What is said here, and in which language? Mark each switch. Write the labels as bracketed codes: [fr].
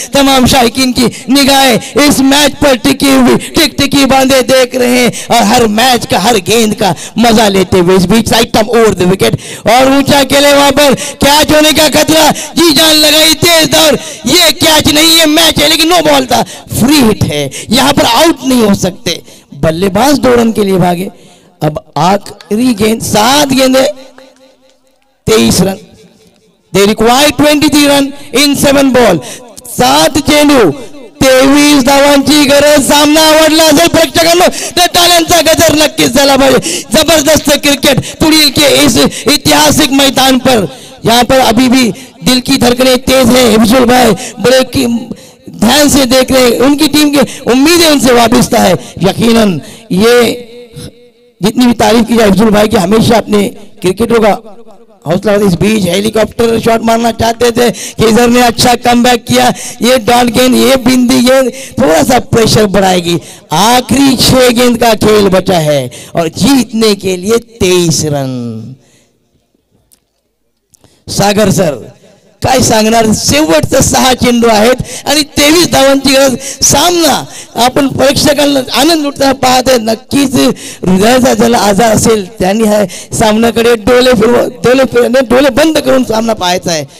[hi] तमाम शायकीन की निगाहें इस मैच पर टिकी हुई, टिक टिकी बांधे देख रहे हैं और हर मैच का हर गेंद का मजा लेते हुए। इस बीच आइटम ओवर द विकेट और ऊंचा खेले, वहां पर कैच होने का खतरा, जी जान लगाई तेज दौड़, ये कैच नहीं ये मैच है, लेकिन नो बॉल था, फ्री हिट है, यहाँ पर आउट नहीं हो सकते। बल्लेबाज दो रन के लिए भागे। अब आखिरी गेंद, 7 गेंदे 23 run, [en] they require 23 run in 7 ball, [mr] 7 चेंडू 23 धावांची गरज, सामना आवडला असेल प्रेक्षकांनो तर टाळ्यांचा गजर नक्कीच झाला पाहिजे। [hi] जबरदस्त क्रिकेट तुड़ील के इस ऐतिहासिक मैदान पर, यहाँ पर अभी भी दिल की धड़कने तेज है, हिमशुल भाई बड़े की ध्यान से देख रहे हैं, उनकी टीम के उम्मीदें उनसे वाबस्ता है। यकीनन ये जितनी भी तारीफ की जाए अफजुल भाई की, हमेशा अपने क्रिकेटरों का हौसला। इस बीच हेलीकॉप्टर शॉट मारना चाहते थे, खिजर ने अच्छा कमबैक किया, ये डॉट गेंद, ये बिंदी गेंद थोड़ा सा प्रेशर बढ़ाएगी। आखिरी 6 गेंद का खेल बचा है और जीतने के लिए 23 रन। [mr] सागर सर काय सांगणार, शेवटचे 6 चेंडू आहेत आणि 23 धावांची गरज, सामना आपण प्रेक्षकांना आनंद लुटता पाहते, नक्कीच हृदयाचा जर आजार असेल त्यांनी हा सामन्याकडे डोळे बंद करून सामना पाहायचा आहे।